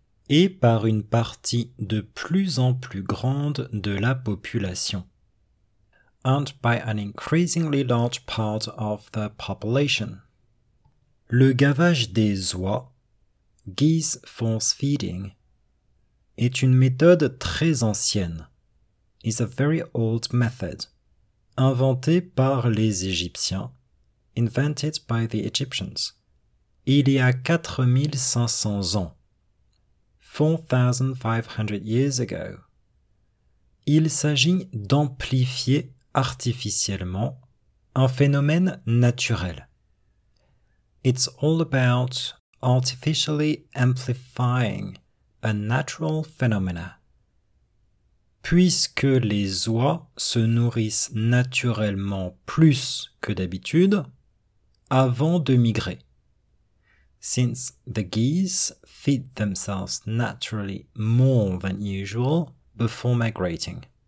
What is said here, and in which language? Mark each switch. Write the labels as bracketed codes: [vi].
[fr] et par une partie de plus en plus grande de la population. [en] And by an increasingly large part of the population. [fr] Le gavage des oies, [en] geese force feeding, [fr] est une méthode très ancienne, [en] is a very old method, [fr] inventée par les Égyptiens, [en] invented by the Egyptians, [fr] il y a 4500 ans, [en] 4500 years ago. [fr] Il s'agit d'amplifier artificiellement un phénomène naturel. [en] It's all about artificially amplifying a natural phenomena. [fr] Puisque les oies se nourrissent naturellement plus que d'habitude avant de migrer. [en] Since the geese feed themselves naturally more than usual before migrating.